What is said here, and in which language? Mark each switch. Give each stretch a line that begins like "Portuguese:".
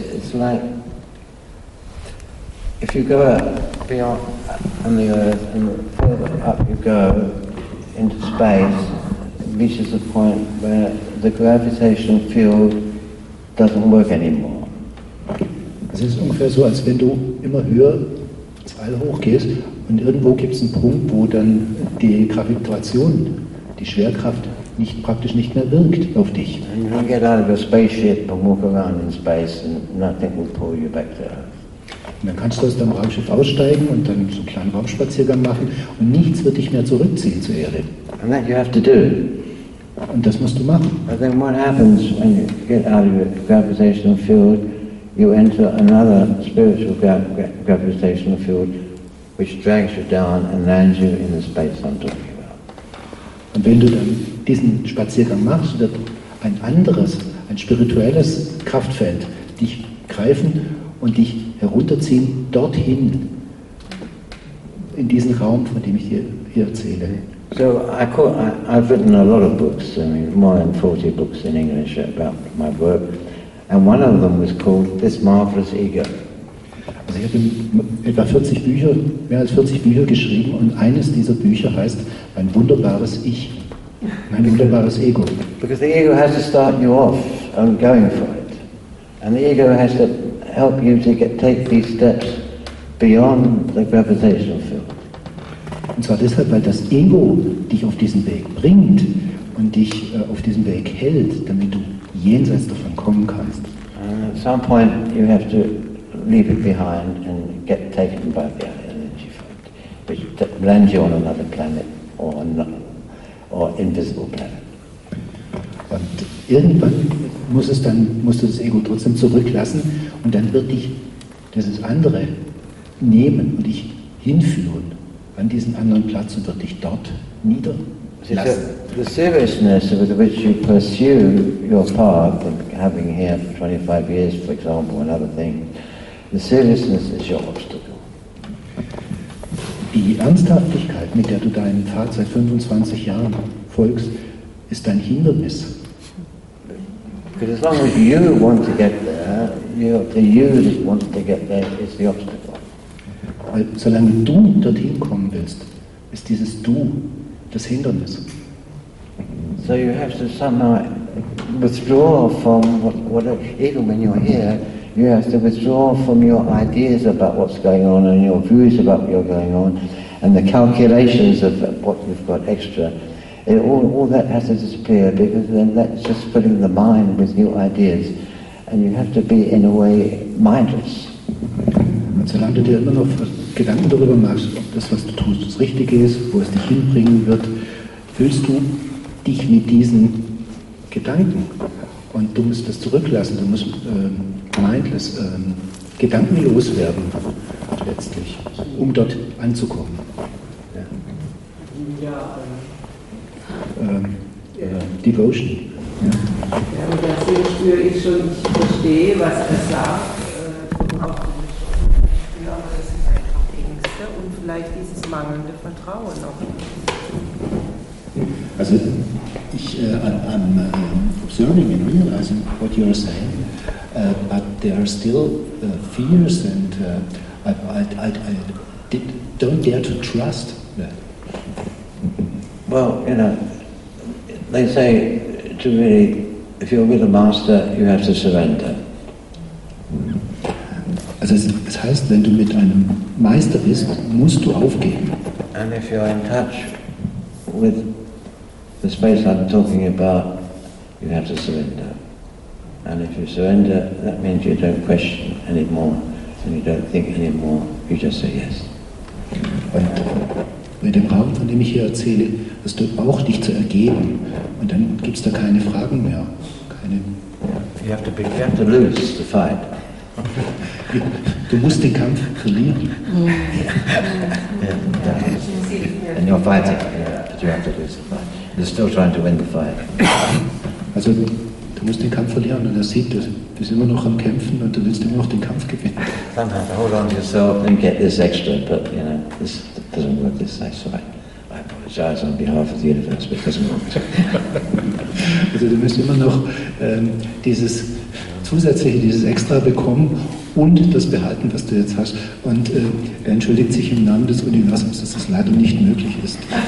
English: It's like if you go up beyond on the earth and the further up you go into space, it reaches a point where the gravitational field doesn't work anymore.
German: Es ist ungefähr so, als wenn du immer höher ins All hochgehst und irgendwo gibt es einen Punkt, wo dann die Gravitation, die Schwerkraft, nicht, praktisch nicht mehr wirkt auf dich.
English: And you get out of your spaceship and walk around in space and nothing will pull you back to earth.
German: Und dann kannst du aus deinem Raumschiff aussteigen und dann so einen kleinen Raumspaziergang machen und nichts wird dich mehr zurückziehen zur Erde.
English: And that you have to do.
German: Und das musst du machen.
English: But then what happens when you get out of your gravitational field, you enter another spiritual gravitational field which drags you down and lands you in the space I'm talking about.
German: Und wenn du dann diesen Spaziergang machst, wird ein anderes, ein spirituelles Kraftfeld dich greifen und dich herunterziehen dorthin, in diesen Raum, von dem ich hier erzähle.
English: So, I've written a lot of books, I mean, more than 40 books in English about my work, and one of them was called This Marvelous Ego.
German: Also ich habe etwa 40 Bücher, mehr als 40 Bücher geschrieben, und eines dieser Bücher heißt Mein wunderbares Ich, mein wunderbares Ego.
English: Because the ego has to start you off and going for it. And the ego has to help you to take these steps beyond the gravitational field.
German: Und zwar deshalb, weil das Ego dich auf diesen Weg bringt und dich auf diesen Weg hält, damit du jenseits davon kommen kannst.
English: At some point you have to leave it behind and get taken by the energy field, which lands you on another planet or invisible planet.
German: Und irgendwann musst du das Ego trotzdem zurücklassen und dann wird dich dieses andere nehmen und dich hinführen an diesen anderen Platz und wird dich dort niederlassen.
English: The seriousness with which you pursue your path and having here for 25 years, for example, another thing, the seriousness is your obstacle.
German: Die Ernsthaftigkeit, mit der du deinen Pfad seit 25 Jahren folgst, ist dein Hindernis.
English: Because as long as you want to get there, that wants to get there is the obstacle.
German: Weil solange du dorthin kommen willst, ist dieses Du das Hindernis.
English: So you have to somehow withdraw from even when you're here, you have to withdraw from your ideas about what's going on and your views about what you're going on and the calculations of what you've got extra. All that has to disappear, because then that's just filling the mind with new ideas, and you have to be in a way mindless.
German: Und solange du dir immer noch Gedanken darüber machst, ob das, was du tust, das Richtige ist, wo es dich hinbringen wird, füllst du dich mit diesen Gedanken, und du musst das zurücklassen. Du musst mindless, gedankenlos werden letztlich, um dort anzukommen. Ja.
English: Devotion.
German: Ja, und das hier spüre ich schon, ich verstehe, was er sagt. Ich glaube, das sind einfach Ängste und vielleicht dieses mangelnde Vertrauen auch. Also, ich
English: observing and realizing what you are saying, but there are still fears and I don't dare to trust that. Well, you know, they say to really, if you're with a master, you have to surrender.
German: Also, es heißt, wenn du mit einem Meister bist, musst du aufgeben.
English: And if you're in touch with the space I'm talking about, you have to surrender. And if you surrender, that means you don't question anymore and you don't think anymore. You just say yes.
German: Und bei dem Raum, von dem ich hier erzähle, es tut auch dich zu ergeben. Und dann gibt es da keine Fragen mehr. Keine.
English: You have to be careful to lose the fight.
German: Du musst den Kampf verlieren.
English: And you're fighting, but you have to lose the fight. You're still trying to win the fight.
German: Also, du musst den Kampf verlieren und er sieht, du bist immer noch am Kämpfen und du willst immer noch den Kampf gewinnen.
English: Somehow, hold on to yourself and get this extra, but, you know, this doesn't work this way, so I apologize on behalf of the universe, but it doesn't work.
German: Also, du musst immer noch dieses zusätzliche, dieses extra bekommen und das behalten, was du jetzt hast. Und er entschuldigt sich im Namen des Universums, dass das leider nicht möglich ist.